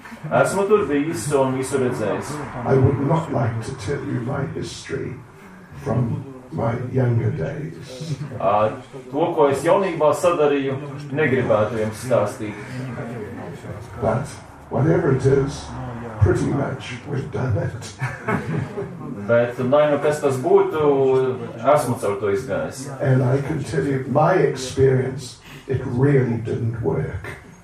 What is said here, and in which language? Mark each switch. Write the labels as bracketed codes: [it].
[lv] Esmu tur bijis un visu redzējis. [en] I would not like to tell you my history from my younger days. [lv] To, ko es jaunībā sadarīju, negribētu jums stāstīt. [en] But whatever it is, pretty much we've done it. [lv] Bet, lai nu kas tas būtu, esmu caur to izgājis. [en] And I can tell you, my experience, it really didn't work.